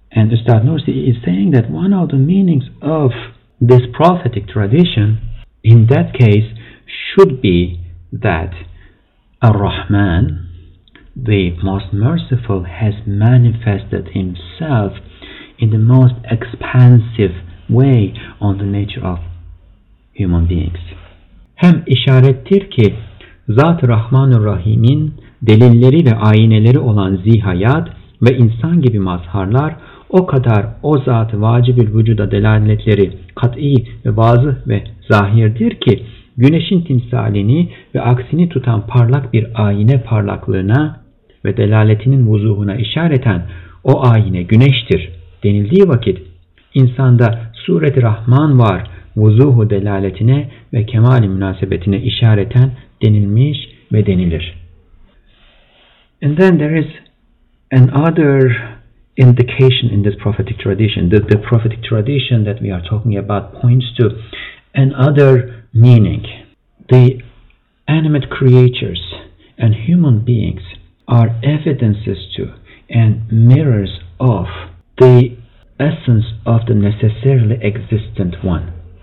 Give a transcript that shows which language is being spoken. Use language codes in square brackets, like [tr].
[en] And Ustad Nursi is saying that one of the meanings of this prophetic tradition in that case should be that Ar-Rahman, the Most Merciful, has manifested himself in the most expansive way on the nature of human beings. [tr] Hem işarettir ki Zat-ı Rahman-ı Rahim'in delilleri ve ayineleri olan zihayat ve insan gibi mazharlar o kadar o zat-ı vacibül vücuda delaletleri kat'i ve bazı ve zahirdir ki güneşin timsalini ve aksini tutan parlak bir ayine parlaklığına ve delaletinin vuzuhuna işareten o ayine güneştir denildiği vakit insanda suret-i rahman var vuzuhu delaletine ve kemal-i münasebetine işareten denilmiş ve denilir. [en] And then there is another indication in this prophetic tradition. The prophetic tradition that we are talking about points to another meaning. The animate creatures and human beings are evidences to and mirrors of the essence of the necessarily existent one.